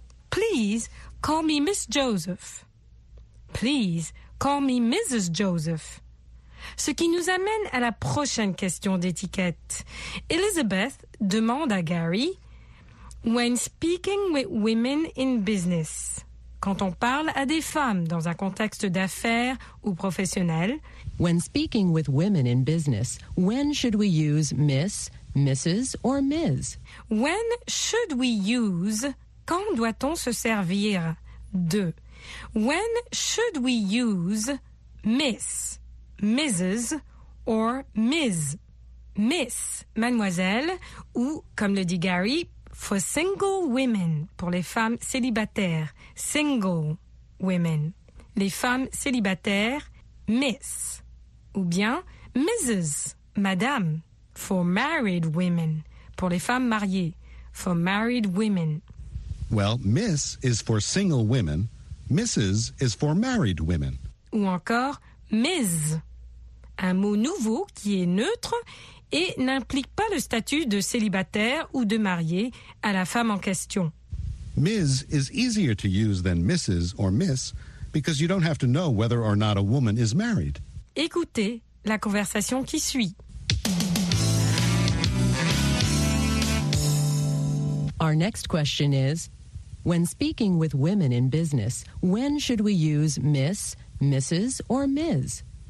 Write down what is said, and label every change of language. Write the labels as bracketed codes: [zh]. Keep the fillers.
[en] Please call me Miss Joseph. Please call me Mrs. Joseph. [fr] Ce qui nous amène à la prochaine question d'étiquette. Elizabeth demande à Gary [en] When speaking with women in business [fr] quand on parle à des femmes dans un contexte d'affaires ou professionnel. [en] When speaking with women in business, when should we use Miss, Mrs. or Ms? When should we use? [fr] Quand doit-on se servir de? [en] When should we use Miss, Mrs. or Ms? Miss? [fr] miss, mademoiselle, ou comme le dit Gary, [en] for single women, [fr] pour les femmes célibataires. [en] Single women, [fr] les femmes célibataires, miss. Ou bien Mrs. Madame, [en] for married women, [fr] pour les femmes mariées. [en] For married women. Well, Miss is for single women, misses is for married women. [fr] Ou encore miss, Un mot nouveau qui est neutre et n'implique pas le statut de célibataire ou de marié à la femme en question. [en] Ms is easier to use than Mrs or Miss because you don't have to know whether or not a woman is married. [fr] Écoutez la conversation qui suit. [en] Our next question is When speaking with women in business, when should we use Miss, Mrs, or Ms?